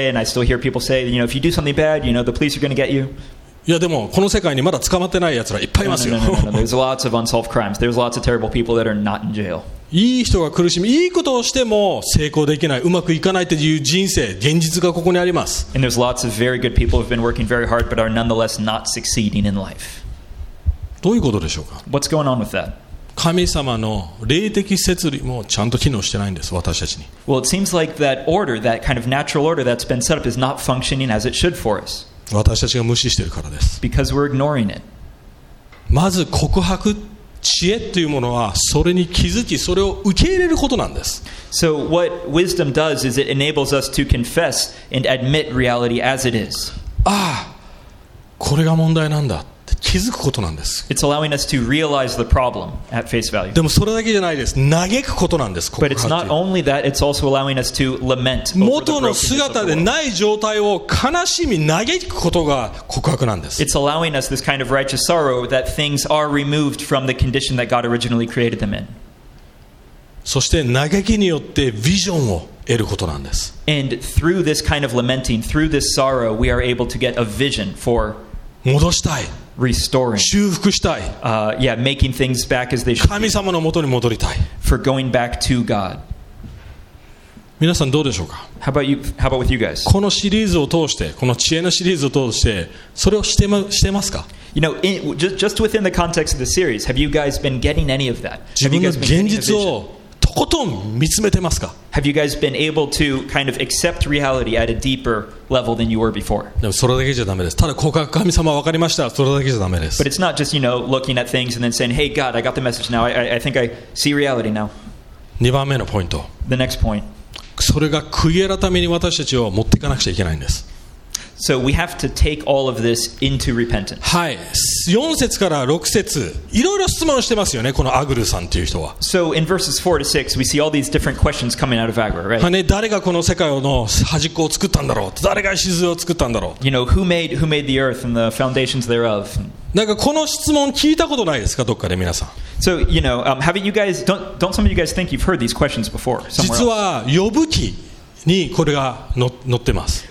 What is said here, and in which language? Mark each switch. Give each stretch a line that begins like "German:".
English: I would hear my parents or whatever say, if you do something bad, the police are going to get you.
Japanese: いやでもこの世界にまだ捕まってないやつらいっぱいいますよ
English: There's lots of unsolved crimes. There's lots of terrible people that are not in jail.
Japanese: いい人が苦しみいいことをしても成功できないうまくいかないという人生現実がここにあります
English: And there's lots of very good people who've been working very hard but are nonetheless not succeeding in life
Japanese: どういうことでしょうか?
English: What's going on with that?
Japanese: 神様の霊的摂理もちゃんと機能してないんです、私たちに。
English: Well, it seems like that order, that kind of natural order that's been set up is not functioning as it should for us.
Japanese: 私たちが無視してるからです。
English: Because we're ignoring it.
Japanese: まず告白、知恵というものはそれに気づき、それを受け入れることなんです。
English: So what wisdom does is it enables us to confess and admit reality as it is.
Japanese: ああ、これが問題なんだ。気づくことなんです。
English: It's allowing us to realize the problem at face value.
Japanese: でもそれだけじゃないです。嘆くことなんです。
English: But it's not only that, it's also allowing us to lament.
Japanese: 元の姿でない状態を悲しみ嘆くことが告白なんです。
English: It's allowing us this kind of righteous sorrow that things are removed from the condition that God originally created them in.
Japanese: そして嘆きによってビジョンを得ることなんです。
English: And through this kind of lamenting, through this sorrow, we are able to get a vision for
Japanese: 戻したい。
English: Restoring.
Japanese: 修復したい。
English: Yeah, making things back as they should be.
Japanese: 神様の元に戻りたい。
English: For going back to God.
Japanese: 皆さんどうでしょうか?
English: How about with you guys?
Japanese: このシリーズを通して、この知恵のシリーズを通して、それをしてますか?
English: You know, just within the context of the series, have you guys been getting any of that?
Japanese: 自分の現実をとことん見つめてますか?
English: Have you guys been able to kind of accept reality at a deeper level than you were before?
Japanese: でもそれだけじゃダメです。ただ告白、神様は分かりました。それだけじゃダメです。
English: But it's not just, you know, looking at things and then saying, hey, God, I got the message now. I think I see reality now.
Japanese: 2番目のポイント。
English: The next point.
Japanese: それが悔い改めに私たちを持っていかなくちゃいけないんです。
English: So we have to take all of this into repentance.
Japanese: はい、4節から6節、いろいろ質問してますよね、このアグルさんっていう人は。
English: So in verses 4 to 6, we see all these different questions coming out of Agur, right?
Japanese: はね、誰がこの世界の端っこを作ったんだろう、誰が礎を作ったんだろう。
English: You know, who made the earth and the foundations thereof?
Japanese: なんかこの質問聞いたことないですか、どっかで皆さん。
English: So you know, haven't you guys? Don't some of you guys think you've heard these questions before?
Japanese: 実は呼ぶ記にこれが載ってます。